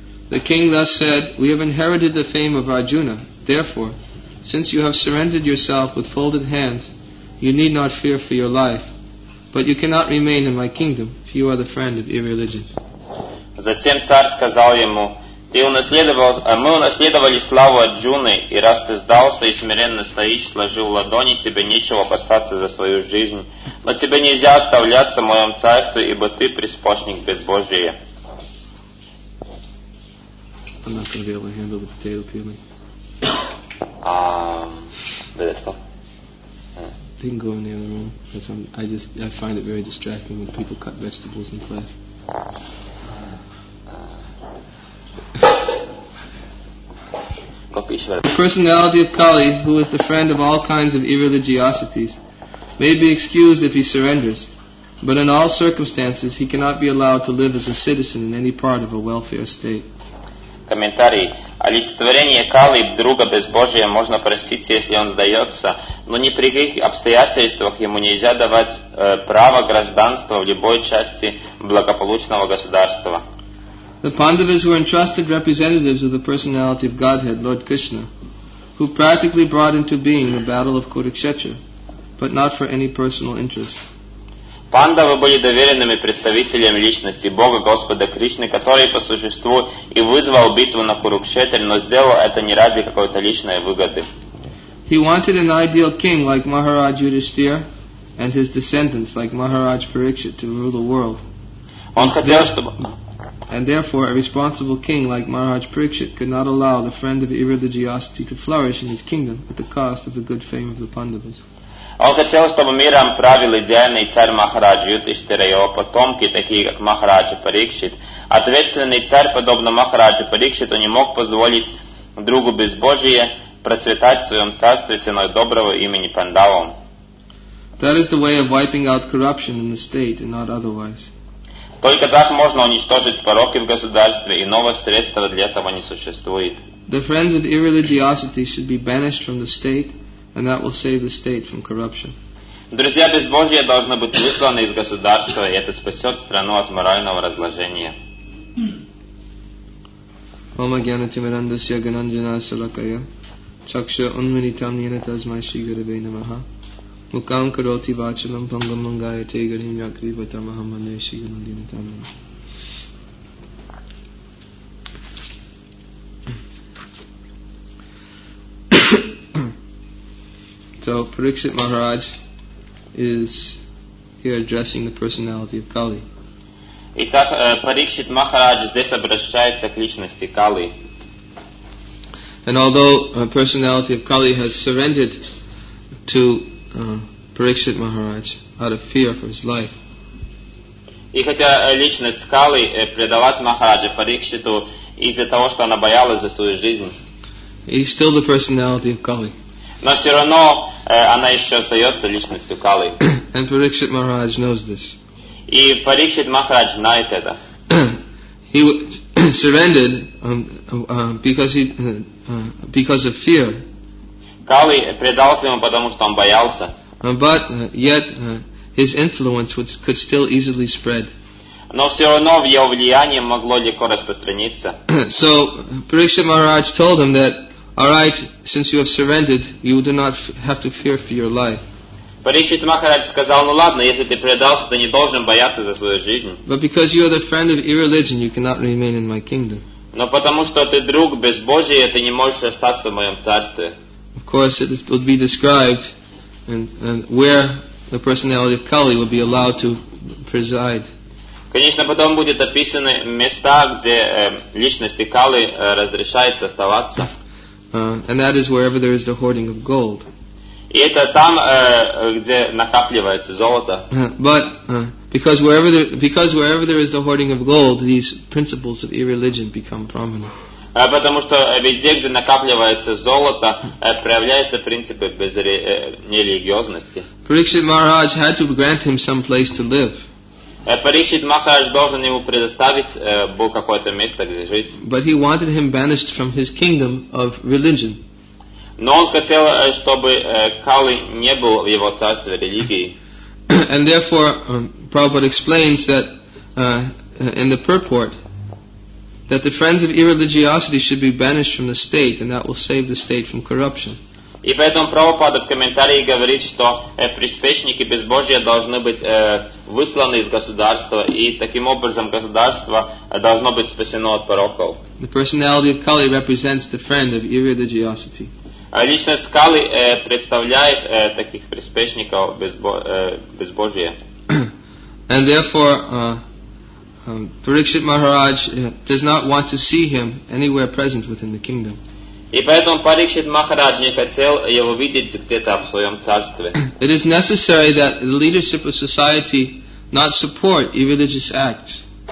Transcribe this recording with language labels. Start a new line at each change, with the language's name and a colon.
English: The king thus said, "We have inherited the fame of Arjuna. Therefore, since you have surrendered yourself with folded hands, you need not fear for your life. But you cannot remain in my kingdom if you are the friend of irreligion."
Russian: Затем царь сказал ему, Мы унаследовали славу Арджуны, и раз ты сдался и смиренно стоишь, сложив ладони, тебе нечего опасаться за свою жизнь. Но тебе нельзя оставляться в моем царстве, ибо ты приспешник безбожия. Она провела гендл в тейл пилы.
English: I find it very distracting when people cut vegetables in class. The personality of Kali, who is the friend of all kinds of irreligiosities, may be excused if he surrenders, but in all circumstances he cannot be allowed to live as a citizen in any part of a welfare state.
Russian: Комментарий. Олицетворение Кали, друга безбожия, можно простить, если он сдается, но ни при каких обстоятельствах ему нельзя давать право гражданства в любой части благополучного государства.
English: The Pandavas were entrusted representatives of the personality of Godhead, Lord Krishna, who practically brought into being the battle of Kurukshetra, but not for any personal interest.
Russian: Пандавы были доверенными представителями личности Бога Господа Кришны, который по существу и вызвал битву на Курукшетре, но сделал это не ради какой-то личной выгоды.
English: He wanted an ideal king like Maharaj Yudhishthira and his descendants like Maharaj Parikshit to rule the world.
Russian: Он хотел, чтобы...
English: And therefore, a responsible king like Maharaj Parikshit could not allow the friend of irreligiosity to flourish in his kingdom at the cost of the good fame of the Pandavas.
Russian: Он хотел, чтобы миром правил идеальный царь Махарадж Юдхиштхира и его потомки, такие как Махарадж Парикшит. Ответственный царь, подобно Махараджу Парикшиту, не мог позволить другу безбожие процветать в своем царстве ценой доброго имени Пандавам.
English: That is the way of wiping out corruption in the state and not otherwise.
Russian: Только так можно уничтожить пороки в государстве, и новых средств для этого не существует.
English: The friends of irreligiosity should be banished from the state, and that will save the state from corruption.
Russian: Друзья безбожия должны быть высланы из государства, и это спасет страну от морального разложения.
Sanskrit: Ома гьяна тимирандасья гананджана салакая, чакша унвинитам нинатазмай шигаравей намаха. Mukam karoti vachalam pangam mangaya te garim yakri vatamaham maneshi yunandina tamam.
English: So Parikshit Maharaj is here addressing the personality of Kali.
Russian: Итак, Parikshit Maharaj здесь обращается к личности Kali.
English: And although the personality of Kali has surrendered to Parikshit Maharaj out of fear for his life.
Russian: И хотя личность Кали предалась Махараджу Парикшиту из-за того, что она боялась за свою жизнь.
English: He's still the personality of Kali.
Russian: Но все равно она еще остается личностью Кали.
English: And Parikshit Maharaj knows this.
Russian: И Парикшит Махарадж знает это.
English: He surrendered because of fear.
Russian: Кали предался ему потому, что он боялся.
English: But yet his influence could still easily spread.
Russian: Но все равно его влияние могло легко распространиться.
English: So Parikshit Maharaj told him that, all right, since you have surrendered, you do not have to fear for your life.
Russian: Parikshit Maharaj сказал, ну ладно, если ты предался, то не должен бояться за свою жизнь.
English: But because you are the friend of irreligion, you cannot remain in my kingdom.
Russian: Но потому что ты друг безбожия, ты не можешь остаться в моем царстве.
English: Of course, it would be described. And where the personality of Kali would be allowed to preside.
Russian: Конечно, потом будет описаны места, где личности Кали разрешается оставаться.
English: And that is wherever there is the hoarding of gold.
Russian: И это там, где накапливается золото.
English: But because wherever there is the hoarding of gold, these principles of irreligion become prominent.
Russian: Потому что везде, где накапливается золото, проявляются принципы безрелигиозности.
English: Parikshit Maharaj had to grant him some place to live.
Russian: Parikshit Maharaj должен ему предоставить был какое-то место, где жить.
English: But he wanted him banished from his kingdom of religion.
Russian: Но он хотел, чтобы Кали не был в его царстве религии.
English: And therefore, Prabhupada explains that in the purport, that the friends of irreligiosity should be banished from the state, and that will save the state from corruption.
Russian: И поэтому Прабхупада в комментарии говорит, что приспешники безбожия должны быть высланы из государства, и таким образом государство должно быть спасено от пороков.
English: The personality of Kali represents the friend of irreligiosity.
Russian: Личность Кали представляет таких приспешников безбожия.
English: And therefore, Parikshit Maharaj does not want to see him anywhere present within the kingdom.
Russian: И поэтому Парикшит Махарадж не хотел его видеть где-то в своем царстве.
English: It is necessary that the leadership of society not support irreligious acts.